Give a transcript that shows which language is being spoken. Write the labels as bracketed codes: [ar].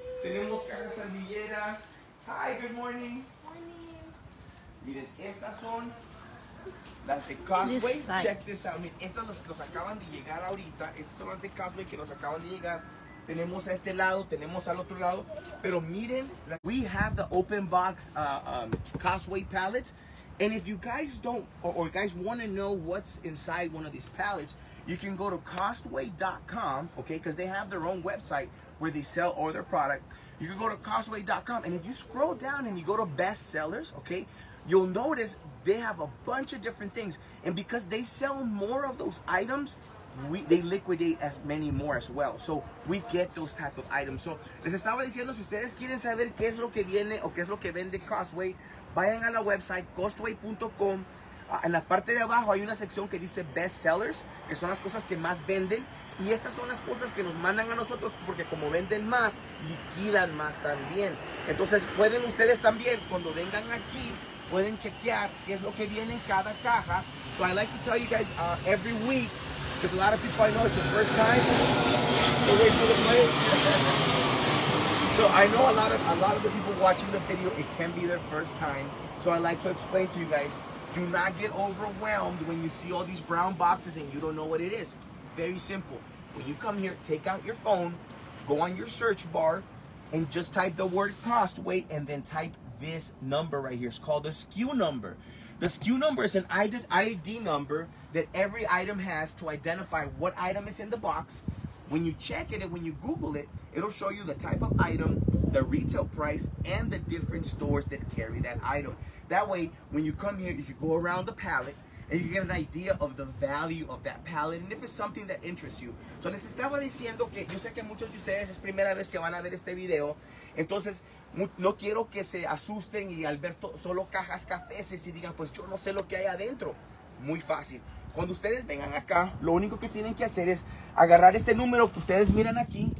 [es] Tenemos cajas sandilleras. [en] Hi, good morning. [es] Miren, estas son las de Costway. [en] Check this out. [es] Miren, estas las que nos acaban de llegar ahorita. Estas son las de Costway que nos acaban de llegar. Tenemos a este lado, tenemos al otro lado. Pero miren, [en] we have the open box Costway pallets. And if you guys don't, or guys want to know what's inside one of these pallets, you can go to Costway.com, okay? Because they have their own website where they sell all their product. You can go to Costway.com. And if you scroll down and you go to best sellers, okay? You'll notice they have a bunch of different things. And because they sell more of those items, they liquidate as many more as well. So we get those type of items. [es] So les estaba diciendo, si ustedes quieren saber qué es lo que viene o qué es lo que vende Costway, vayan a la website costway.com. En la parte de abajo hay una sección que dice best sellers, que son las cosas que más venden. Y esas son las cosas que nos mandan a nosotros porque como venden más, liquidan más también. Entonces pueden ustedes también, cuando vengan aquí, pueden chequear qué es lo que viene en cada caja. [en] So I like to tell you guys every week, because a lot of people I know it's the first time they wait for the plane. So I know a lot of the people watching the video, it can be their first time. So I like to explain to you guys, do not get overwhelmed when you see all these brown boxes and you don't know what it is. Very simple. When you come here, take out your phone, go on your search bar, and just type the word Costway, and then type this number right here. It's called the SKU number. The SKU number is an ID number that every item has to identify what item is in the box. When you check it and when you Google it, it'll show you the type of item, the retail price, and the different stores that carry that item. That way, when you come here, you go around the pallet, and you get an idea of the value of that pallet, and if it's something that interests you. [es] So les estaba diciendo que yo sé que muchos de ustedes es primera vez que van a ver este video. Entonces, no quiero que se asusten y al ver solo cajas cafeces y digan, pues yo no sé lo que hay adentro. Muy fácil. Cuando ustedes vengan acá, lo único que tienen que hacer es agarrar este número que ustedes miran aquí.